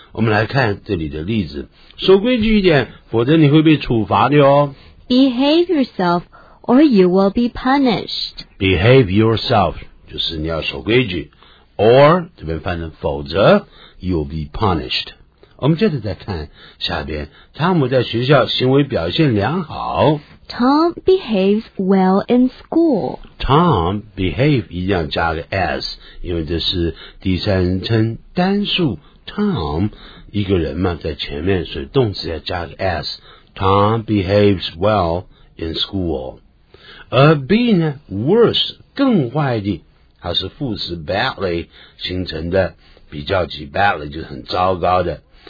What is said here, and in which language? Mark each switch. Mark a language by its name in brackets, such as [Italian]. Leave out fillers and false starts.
[Chinese] 我们来看这里的例子，守规矩一点，否则你会被处罚的哦。 [English] Behave yourself, or you will be punished. Behave yourself [Chinese] 就是你要守规矩 ，or 这边翻成否则 ， [English] you'll be punished. [Chinese] 我们接着再看下边，汤姆在学校行为表现良好。 [English] Tom behaves well in school. Tom behave [Chinese] 一定要加个 s， 因为这是第三人称单数 Tom 一个人嘛，在前面，所以动词要加个 s。 [English] Tom behaves well in school。 [Chinese] 而 be 呢 ，worse 更坏的，它是副词 badly 形成的，比较级 badly 就是很糟糕的。